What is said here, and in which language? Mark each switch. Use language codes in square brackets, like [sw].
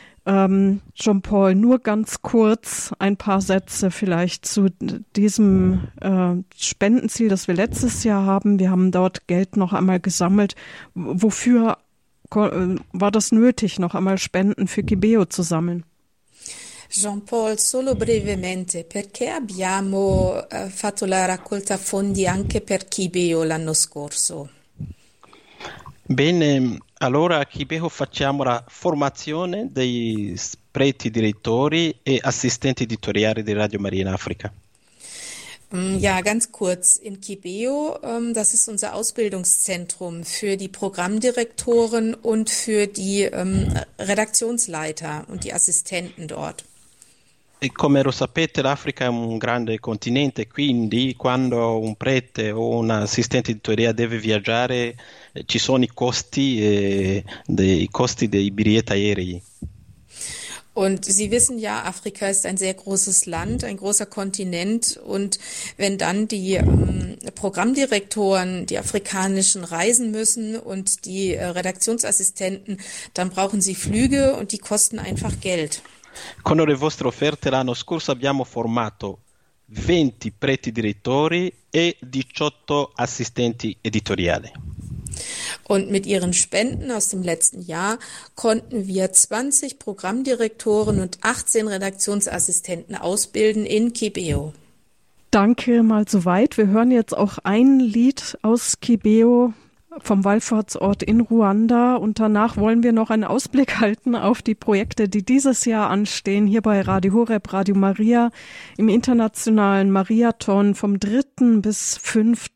[de] Jean-Paul, nur ganz kurz ein paar Sätze vielleicht zu diesem Spendenziel, das wir letztes Jahr haben. Wir haben dort Geld noch einmal gesammelt. Wofür war das nötig, noch einmal Spenden für Gibeo zu sammeln? [it] Jean-Paul, solo brevemente, perché abbiamo fatto la raccolta fondi anche per Kibeo l'anno scorso? Bene. Allora a Kibeho facciamo la formazione dei preti direttori e assistenti editoriali di Radio Maria in Africa. [de] Ja, ganz kurz. In Kibeo, das ist unser Ausbildungszentrum für die Programmdirektoren und für die Redaktionsleiter und die Assistenten dort. [it] E come lo sapete, l'Africa è un grande continente, quindi quando un prete o un assistente editoriale deve viaggiare, ci sono i costi dei biglietti aerei. [de] Und Sie wissen ja, Afrika ist ein sehr großes Land, ein großer Kontinent. Und wenn dann die Programmdirektoren die afrikanischen reisen müssen und die Redaktionsassistenten, dann brauchen sie Flüge und die kosten einfach Geld. [it] Con le vostre offerte l'anno scorso abbiamo formato 20 preti direttori e 18 assistenti editoriali. [de] Und mit ihren Spenden aus dem letzten Jahr konnten wir 20 Programmdirektoren und 18 Redaktionsassistenten ausbilden in Kibeo. Danke mal soweit. Wir hören jetzt auch ein Lied aus Kibeo vom Wallfahrtsort in Ruanda, und danach wollen wir noch einen Ausblick halten auf die Projekte, die dieses Jahr anstehen, hier bei Radio Horeb, Radio Maria im internationalen Marathon vom 3. bis 5.